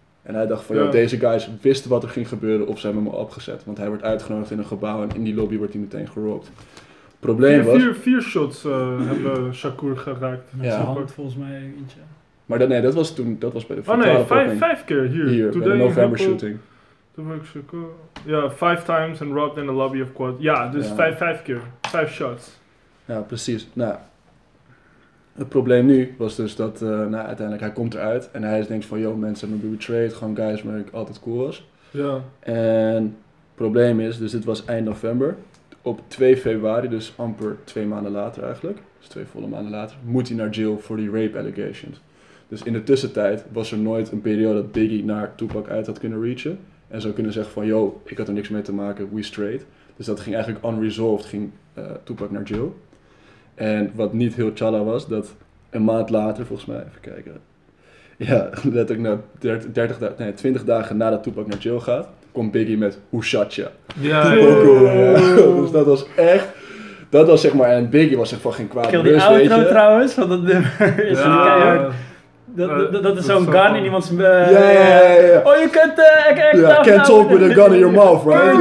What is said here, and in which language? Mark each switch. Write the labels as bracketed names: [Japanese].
[Dutch] En hij dacht van, joh, deze guys wisten wat er ging gebeuren of ze hebben hem opgezet. Want hij werd uitgenodigd in een gebouw en in die lobby wordt hij meteen gerobbed. Probleem was... Vier shots hebben Shakur geraakt met zijn hand, volgens mij eentje. Maar dat was toen, dat was bij de vijf keer hier bij de November shooting. Toen was ik Shakur. [English] Ja, five times and robbed in the lobby of Quad. [Dutch] Ja, dus vijf keer. Vijf shots. Ja, precies. Nou, het probleem nu was dus dat uiteindelijk hij komt eruit en hij denkt van, yo, mensen hebben me betrayed, gewoon guys waar ik altijd cool was. Ja. En het probleem is, dus dit was eind november, op 2 februari, dus amper 2 maanden later eigenlijk, dus 2 volle maanden later, moet hij naar jail voor die rape allegations. Dus in de tussentijd was er nooit een periode dat Biggie naar Tupac uit had kunnen reachen en zou kunnen zeggen van, yo, ik had er niks mee te maken, [English] we straight. [Dutch] Dus dat ging eigenlijk unresolved, ging Tupac naar jail. En wat niet heel challa was, dat een maand later, volgens mij, even kijken. Ja, letterlijk 20 dagen nadat Tupac naar jail gaat, komt Biggie met Who Shot Ya? Ja, dus dat was echt, dat was zeg maar, en Biggie was zeg van geen kwaad bewust, weet je. Kijk, die outro trouwens, want dat nummer is niet keihard. Dat is zo'n gun in iemands... Oh, je kunt... [English] Can't talk with a gun in your mouth, right?